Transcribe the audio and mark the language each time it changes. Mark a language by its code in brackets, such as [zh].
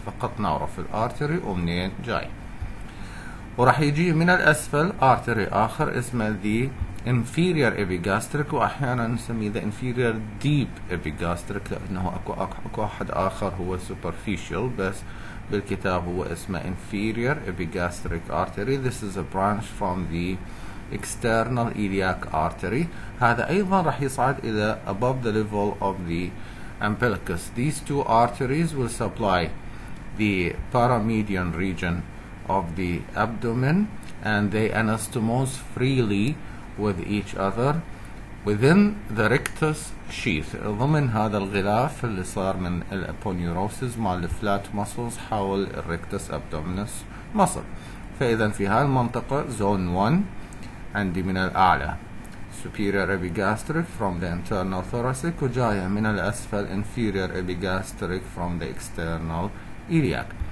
[ar] فقط نعرف الارتري ومنين جاي. وراح يجي من الأسفل artery آخر اسمه the inferior epigastric، وأحيانا نسميه the inferior deep epigastric لأنه أكو أحد آخر هو superficial، بس بالكتاب هو اسمه inferior epigastric artery. [en] This is a branch from the external iliac artery. [ar] هذا أيضا راح يصعد إلى [en] above the level of the umbilicus. These two arteries will supply the paramedian region of the abdomen and they anastomose freely with each other within the rectus sheath. [ar] ضمن هذا الغلاف اللي صار من الابونيوروسيس مع الفلات مسلز حول الريكتس ابدومينس مسل. فاذا في هاي المنطقة زون 1 عندي من الاعلى [en] superior epigastric from the internal thoracic [ar] وجاية من الاسفل [en] inferior epigastric from the external iliac.